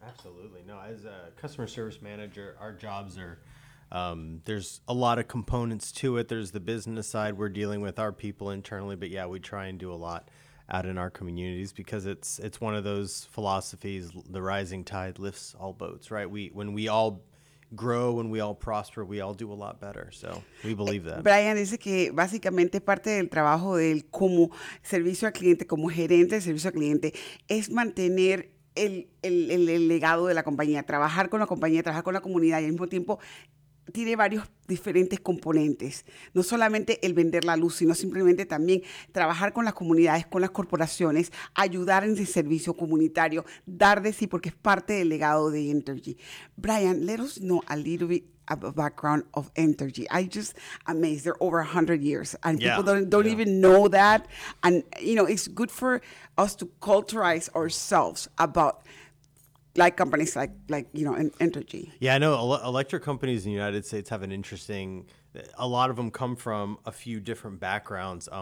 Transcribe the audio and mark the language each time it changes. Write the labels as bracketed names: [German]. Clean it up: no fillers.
[English] Absolutely. No, as a customer service manager, our jobs are, there's a lot of components to it. There's the business side. We're dealing with our people internally. But yeah, we try and do a lot out in our communities, because it's one of those philosophies, the rising tide lifts all boats, right? When we all grow, when we all prosper, we all do a lot better. So we believe that. [Spanish] Brian dice que básicamente parte del trabajo de él como servicio al cliente, como gerente de servicio al cliente, es mantener el legado de la compañía, trabajar con la compañía, trabajar con la comunidad, y al mismo tiempo tiene varios diferentes componentes, no solamente el vender la luz, sino simplemente también trabajar con las comunidades, con las corporaciones, ayudar en el servicio comunitario, dar de sí, porque es parte del legado de Entergy. [English] Brian, let us know a little bit of a background of Entergy. I just amazed, they're over 100 years, and yeah, people don't even know that. And, you know, it's good for us to culturize ourselves about like companies like you know, Entergy. Yeah, I know electric companies in the United States have an interesting, a lot of them come from a few different backgrounds.